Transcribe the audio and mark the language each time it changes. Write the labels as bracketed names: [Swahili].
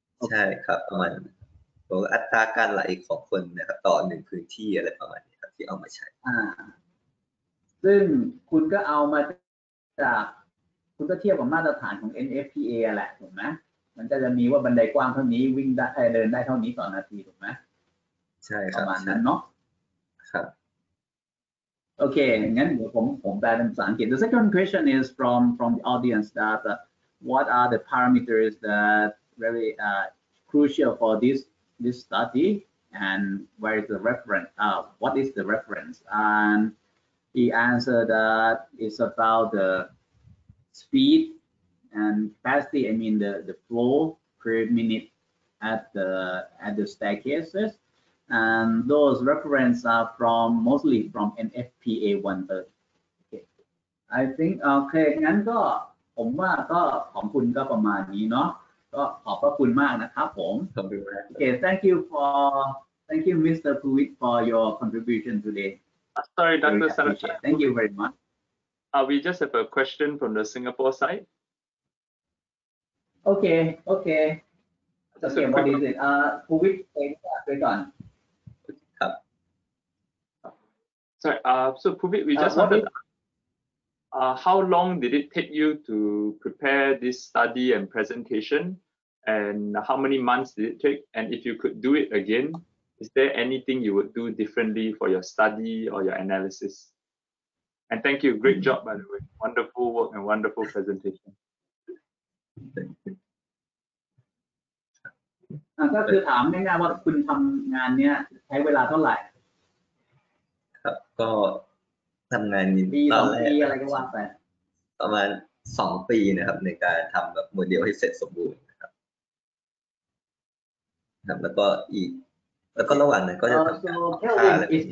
[Thai] ใช่ครับประมาณบอกอัตราการไหลของคนนะครับต่อ1พื้นที่อะไรประมาณนี้ครับที่เอามาใช้ ซึ่งคุณก็เอามาจากคุณก็เทียบกับมาตรฐานของ NFPA แหละถูกไหมมันจะมีว่าบันไดกว้างเท่านี้วิ่งได้เดินได้เท่านี้ต่อนาทีถูกไหม ใช่ครับ ประมาณนั้นเนาะ ครับ โอเคงั้นผมแปลเป็นภาษาอังกฤษ [English] The second question is from the audience that what are the parameters that really crucial for this study and where is the reference what is the reference and he answered that it's about thespeed and capacity, I mean the flow per minute at the staircases, and those references are mostly from NFPA 130. Okay, I think okay. [Thai] งั้นก็ผมว่าก็ของคุณก็ประมาณนี้เนาะก็ขอบพระคุณมากนะครับผม ขอบคุณครับ [English] Okay, thank you Mr. Puwit for your contribution today. Sorry, Dr. Sarachan. Thank you very much. We just have a question from the Singapore side. Okay. Just okay, what is it? Puwit, wait on. Sorry, so Puwit, we just wanted to ask, how long did it take you to prepare this study and presentation? And how many months did it take? And if you could do it again, is there anything you would do differently for your study or your analysis? And thank you. Great job, by the way. Wonderful work and wonderful presentation. [Thai] ก็คือถามง่ายๆว่าคุณทำงานนี้ใช้เวลาเท่าไหร่ครับก็ทำงานนี้ ปีสองปีอะไรก็ว่าไป ประมาณ2ปีนะครับในการทำแบบโมเดลให้เสร็จสมบูรณ์ครับแล้วก็อีกแล้วก็ระหว่างนั้นก็จะทำการ